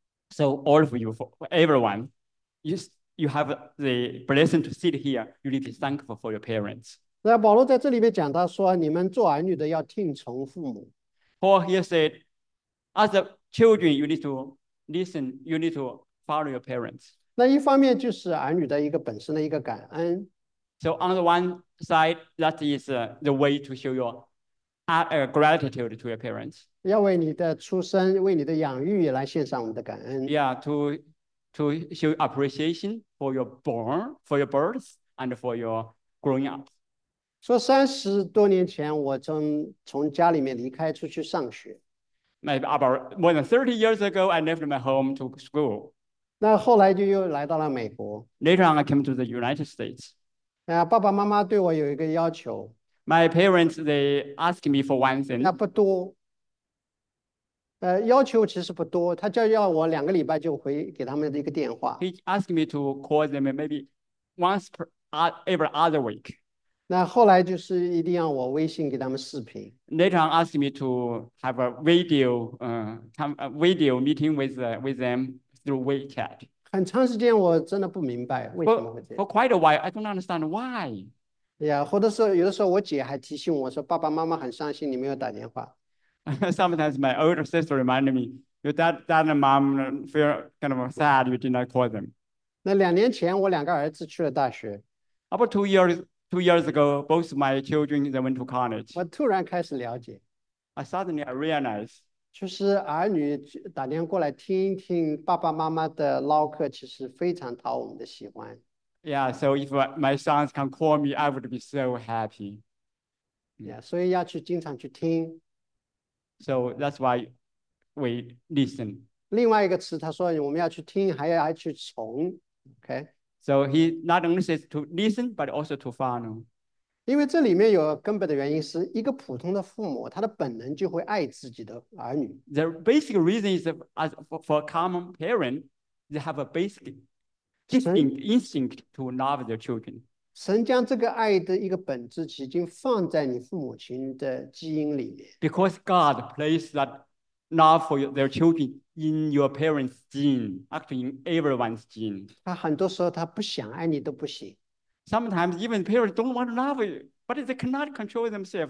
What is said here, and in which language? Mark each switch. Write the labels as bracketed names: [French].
[English] So all of you, for everyone, you have the blessing to sit here. You need to be thankful for your parents. [Chinese] 那保罗在这里面讲到说，你们做儿女的要听从父母。 [English] Paul here said, as a children, you need to listen. You need to follow your parents. [Chinese] 那一方面就是儿女的一个本身的一个感恩。 [English] So on the one side, that is the way to show your gratitude to your parents. [Chinese] 要为你的出生，为你的养育来献上我们的感恩。 [English] Yeah, to show appreciation for your born, for your birth, and for your growing up. [Chinese] 说三十多年前，我从家里面离开出去上学。 [English] Maybe about more than 30 years ago, I left my home to school. [Chinese] 那后来就又来到了美国。 [English] Later on, I came to the United States. [Chinese] 爸爸妈妈对我有一个要求。 [English] My parents, they asked me for one thing. [Chinese] 那不多。要求其实不多，他就要我两个礼拜就回给他们的一个电话。 [English] He asked me to call them maybe once every other week. [Chinese] 那后来就是一定要我微信给他们视频。 [English] Later on asked me to have a video meeting with them through WeChat. [Chinese] 很长时间我真的不明白为什么会这样。 [English] For quite a while, I don't understand why. [Chinese] Yeah, 或者是有的时候我姐还提醒我说，爸爸妈妈很伤心，你没有打电话。 [English] Sometimes my older sister reminded me, your dad and mom feel kind of sad you did not call them. [Chinese] 那两年前我两个儿子去了大学。 [English] About two years ago, both my children they went to college. [Chinese] 我突然开始了解。 [English] I suddenly realized. [Chinese] 就是儿女打电话过来听一听爸爸妈妈的唠嗑，其实非常讨我们的喜欢。 [English] Yeah, so if my sons can call me, I would be so happy. [Chinese] Yeah, 所以要去经常去听。 [English] So that's why we listen. [Chinese] 另外一个词，他说我们要去听，还要去从。 [English] Okay. So he not only says to listen, but also to follow. [Chinese] 因为这里面有根本的原因，是一个普通的父母，他的本能就会爱自己的儿女。 [English] The basic reason is as for a common parent, they have a basic instinct to love their children. [Chinese] 神将这个爱的一个本质已经放在你父母亲的基因里面。 [English] Because God placed that love for their children in your parents' gene, actually in everyone's gene. [Chinese] 他很多时候他不想爱你都不行。 [English] Sometimes even parents don't want to love you, but they cannot control themselves.